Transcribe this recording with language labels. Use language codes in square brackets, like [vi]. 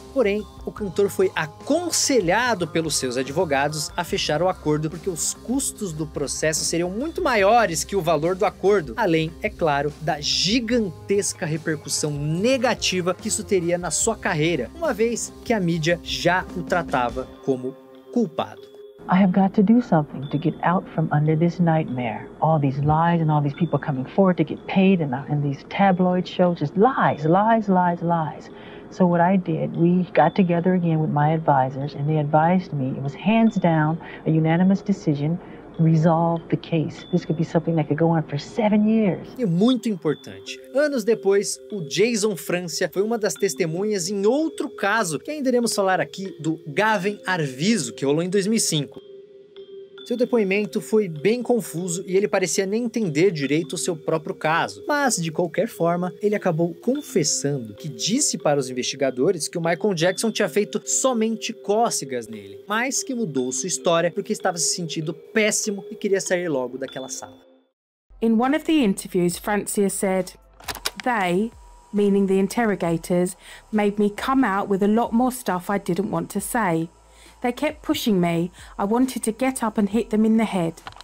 [pt] Porém, o cantor foi aconselhado pelos seus advogados a fechar o acordo porque os custos do processo seriam muito maiores que o valor do acordo, além, é claro, da gigantesca repercussão negativa que isso teria na sua carreira, uma vez que a mídia já o tratava como culpado. [en] I have got to do something to get out from under this nightmare. All these lies and all these people coming forward to get paid and these tabloid shows, just lies, lies, lies, lies. So what I did, we got together again with my advisors and they advised me, it was hands down a unanimous decision, resolve the case. This could be something that could go on for 7 years. [pt] E muito importante, anos depois, o Jason Francia foi uma das testemunhas em outro caso que ainda iremos falar aqui, do Gavin Arvizo, que rolou em 2005. Seu depoimento foi bem confuso e ele parecia nem entender direito o seu próprio caso. Mas, de qualquer forma, ele acabou confessando que disse para os investigadores que o Michael Jackson tinha feito somente cócegas nele, mas que mudou sua história porque estava se sentindo péssimo e queria sair logo daquela sala. [en] In one of the interviews, Francia said, "They, meaning the interrogators, made me come out with a lot more stuff I didn't want to say. They kept pushing me. I wanted to get up and hit them in the head."